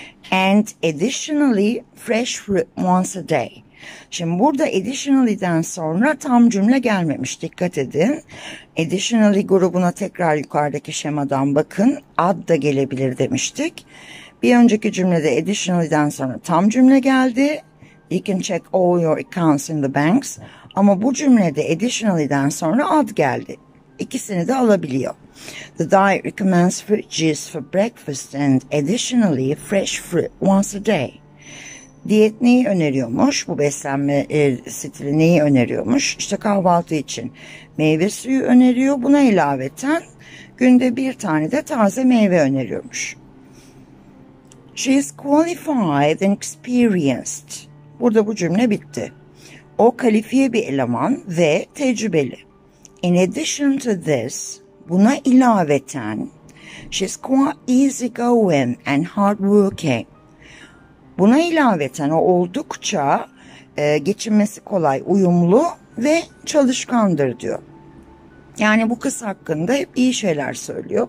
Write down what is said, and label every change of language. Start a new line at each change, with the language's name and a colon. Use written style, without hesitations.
English: And additionally fresh fruit once a day.
Turkish: Şimdi burada additionally'den sonra tam cümle gelmemiş. Dikkat edin. Additionally grubuna tekrar yukarıdaki şemadan bakın. Add da gelebilir demiştik. Bir önceki cümlede additionally'den sonra tam cümle geldi.
English: You can check all your accounts in the banks.
Turkish: Ama bu cümlede additionally'den sonra add geldi. İkisini de alabiliyor.
English: The diet recommends fruit juice for breakfast and additionally fresh fruit once a day.
Turkish: Diyet neyi öneriyormuş? Bu beslenme stili neyi öneriyormuş? İşte kahvaltı için meyve suyu öneriyor. Buna ilaveten günde bir tane de taze meyve öneriyormuş.
English: She is qualified and experienced.
Turkish: Burada bu cümle bitti. O kalifiye bir eleman ve tecrübeli.
English: In addition to this,
Turkish: buna ilaveten,
English: she is quite easygoing and hardworking.
Turkish: Buna ilaveten o oldukça geçinmesi kolay, uyumlu ve çalışkandır diyor. Yani bu kız hakkında hep iyi şeyler söylüyor.